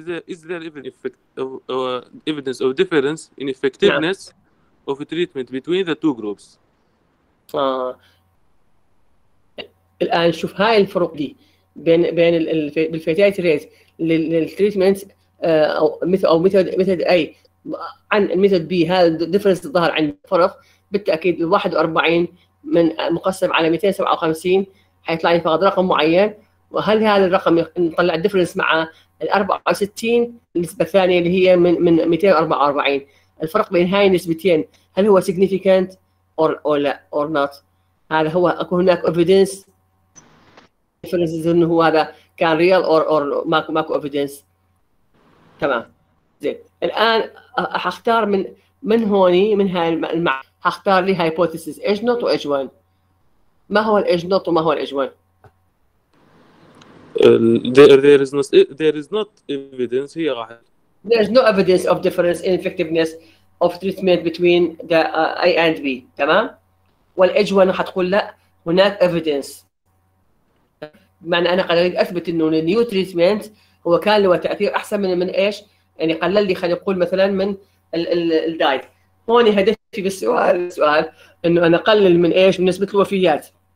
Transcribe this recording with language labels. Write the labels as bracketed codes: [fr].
[en] Is there even effect of, evidence of difference in [ar] نعم. [en] effectiveness of treatment between the two groups? [ar] الآن شوف هاي الفروق دي بين بين بالفيتاليتي ريت للتريتمنت او مثل او مثل مثل اي عن الميثود بي، هذا الديفرنس ظهر عند فرق بالتاكيد 41 من مقسم على 257 حيطلع لي فقط رقم معين، وهل هذا الرقم نطلع الديفرنس مع ال 64 النسبه الثانيه اللي هي من 244، الفرق بين هاي النسبتين هل هو سيجنيفيكانت اور اور لا اور نوت؟ هذا هو اكو هناك ايفيدنس انه هو هذا كان ريال اور ماكو ايفيدنس. تمام زين، الان حختار من هوني من هاي حختار لي هايبوثيسيس ايج نوت وايج 1. ما هو الايج نوت وما هو الايج 1؟ [en] There is not evidence here. There is no evidence of difference in effectiveness of treatment between the A and B. [ar] تمام، والايج 1 حتقول لا هناك ايفيدنس، بمعنى انا قد اريد اثبت انه النيو تريتمنت هو كان له تاثير احسن من ايش؟ يعني قلل لي خلينا نقول مثلا من الدايت. هون هدفي بالسؤال السؤال انه انا اقلل من ايش؟ من نسبه الوفيات.